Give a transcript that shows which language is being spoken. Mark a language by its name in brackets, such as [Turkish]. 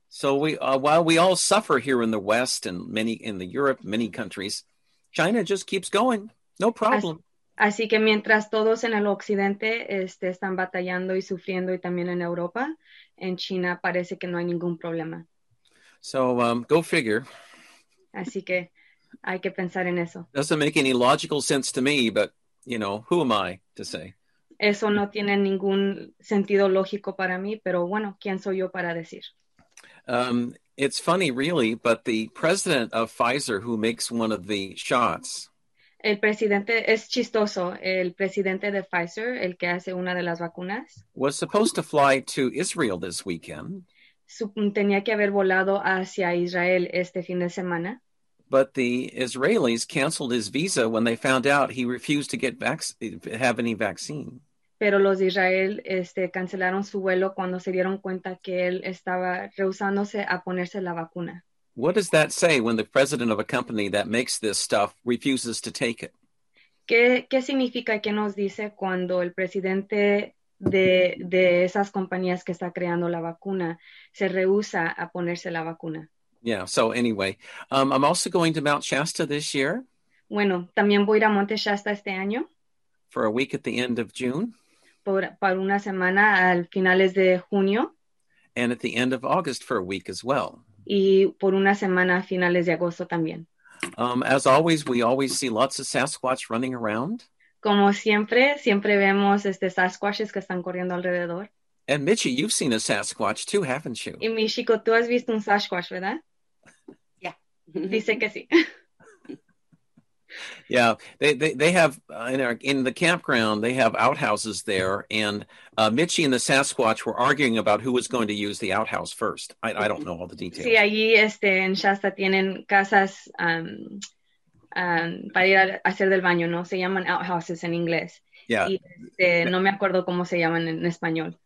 [English] So while we all suffer here in the West and many in the Europe, many countries, China just keeps going. No problem. [Spanish] Así que mientras todos en el occidente están batallando y sufriendo, y también en Europa, en China parece que no hay ningún problema. [English] So go figure. [Spanish] Así que hay que pensar en eso. [English] Doesn't make any logical sense to me, but who am I to say? [Spanish] Eso no tiene ningún sentido lógico para mí, pero bueno, ¿quién soy yo para decir? [English] It's funny, really, but the president of Pfizer, who makes one of the shots, [Spanish] El presidente, es chistoso, el presidente de Pfizer, el que hace una de las vacunas, [English] was supposed to fly to Israel this weekend. [Spanish] tenía que haber volado hacia Israel este fin de semana. [English] But the Israelis canceled his visa when they found out he refused to get vac have any vaccine. [Spanish] Pero los de Israel cancelaron su vuelo cuando se dieron cuenta que él estaba rehusándose a ponerse la vacuna. [English] What does that say when the president of a company that makes this stuff refuses to take it? [Spanish] ¿Qué significa y qué nos dice cuando el presidente de esas compañías que está creando la vacuna se rehúsa a ponerse la vacuna? [English] Yeah, so anyway, I'm also going to Mount Shasta this year [Spanish] Bueno, también voy a ir a Monte Shasta este año [English] for a week at the end of June [Spanish] por una semana al finales de junio [English] and at the end of August for a week as well. [Spanish] y por una semana a finales de agosto también. [English] As always, we always see lots of Sasquatch running around. [Spanish] Como siempre, siempre vemos Sasquatches que están corriendo alrededor. [English] And Mitchie, you've seen a Sasquatch too, haven't you? [Spanish] Y Michiko, tú has visto un Sasquatch, ¿verdad? Dice que sí. [English] Yeah, they have in the campground they have outhouses there, and Mitchie and the Sasquatch were arguing about who was going to use the outhouse first. I don't know all the [Spanish] Sí, [English] details. [Spanish] allí en Shasta tienen casas. Para ir a hacer del baño, ¿no? Se llaman outhouses en inglés. [English] Yeah, [Spanish] Y no me acuerdo cómo se llaman en español.